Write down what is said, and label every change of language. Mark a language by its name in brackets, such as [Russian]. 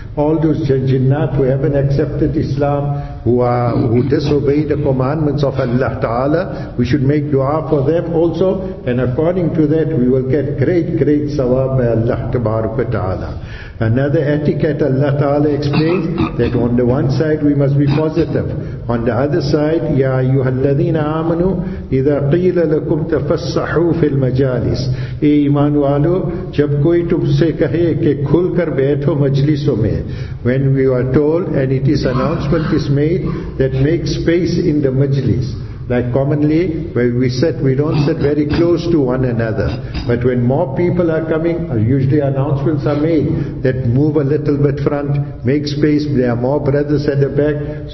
[English] All those jinnat who haven't accepted Islam, who disobey the commandments of Allah Ta'ala, we should make dua for them also. And according to that, we will get great, great sawab by Allah Ta'ala. Another etiquette Allah Ta'ala explains, that on the one side we must be positive. On the other side, [Arabic] يَا أَيُّهَا الَّذِينَ آمَنُوا إِذَا قِيلَ لَكُمْ تَفَسَّحُوا فِي الْمَجَالِسِ. [Urdu] اے ایمان والو، جب کوئی تم سے کہے کہ کھل کر بیٹھو مجلسوں میں. [English] When we are told, and it is announcement is made, that make space in the majlis. Like commonly, where we sit, we don't sit very close to one another. But when more people are coming, usually announcements are made that move a little bit front, make space, there are more brothers at the back.